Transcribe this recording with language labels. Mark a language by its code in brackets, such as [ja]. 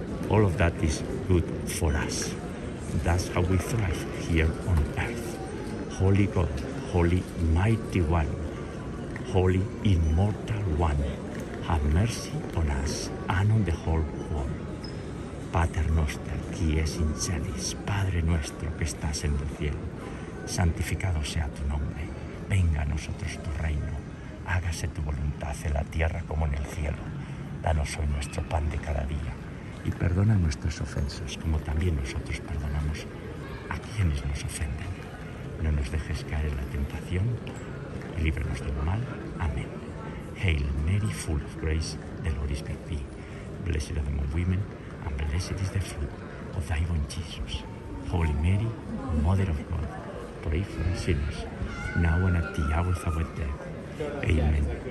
[en] All of that is good for us. That's how we thrive here on earth. Holy God, Holy Mighty One, Holy Immortal One, have mercy on us and on the whole world. [la] Pater Noster, qui es in celis, [es] Padre Nuestro, que estás en el cielo, santificado sea tu nombre, venga a nosotros tu reino, hágase tu voluntad en la tierra como en el cielo, danos hoy nuestro pan de cada día, y perdona nuestras ofensas, como también nosotros perdonamos a quienes nos ofenden. No nos dejes caer en la tentación, y líbranos del mal. Amén. [en] Hail Mary, full of grace, the Lord is with thee, blessed are among women, and blessed is the fruit of thy womb, Jesus. Holy Mary, Mother of God, pray for us sinners, now and at the hour of our death. Amen.